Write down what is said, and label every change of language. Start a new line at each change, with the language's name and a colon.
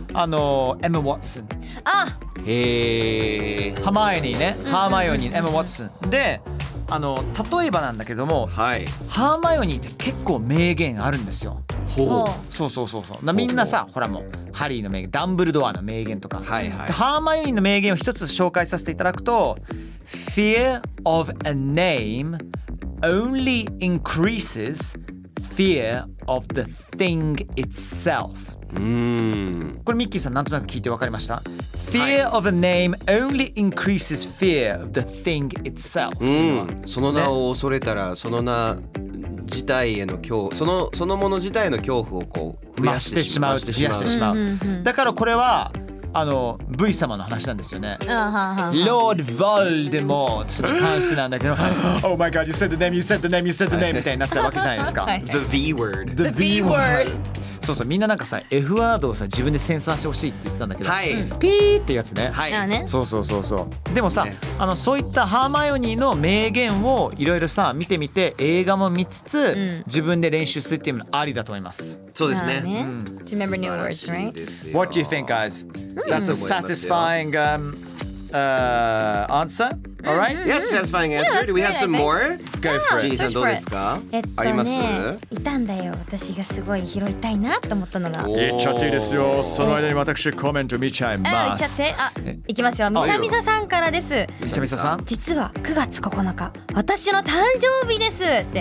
Japanese: あとあのエマ・ワトソン、あ、へハマイオニーね、ハーマイオニー、エマ・ワトソンで、あの例えばなんだけども、はい、ハーマイオニーって結構名言あるんですよ。ほう、そうそうそうそう。みんなさ、ほらもうハリーの名言、ダンブルドアの名言とか、はいはい、ハーマイオニーの名言を一つ紹介させていただくと、
English: Fear of a name only increases fear of the thing itself。
Japanese: これミッキーさんなんとなく聞いて分かりました。
English: Fear of a name only increases fear of the thing itself、
Japanese: その名を恐れたら、ね、その名自体への恐怖、そのもの自体の恐怖をこう増してしまう、増やしてしまう。だからこれはあの V 様の話なんですよね。ロード・ヴォルデモートの関してなんだけど、
English: Oh my God, you said the name,
Japanese: you said the name, you said the name みたいになっちゃうわけじゃないですか。
English: The V word. The V word.
Japanese: そうそう、みんななんかさ F ワードをさ自分でセンサーしてほしいって言ってたんだけど、はい、ピーってやつね、はい、そうそうそうそう、でもさ、ね、あのそういったハーマイオニーの名言をいろいろさ見てみて映画も見つつ、うん、自分で練習するっていうのありだと思います。そうですね、
English: うん、To remember new words, right? What do you think, guys? That's a satisfying answer, alright? Yeah, it's a satisfying answer. Yeah, do we have some more? Go for it.
Japanese: ジニーさんどうですか、あります？いたんだよ、私がすごい拾いたいなと思ったのが、言っちゃっていいですよ、その間に私コメント見ちゃいます、言っちゃって、あ、いきますよ、ミサミサさんからです。ミサミサさん、実は9月9日私の誕生日ですって、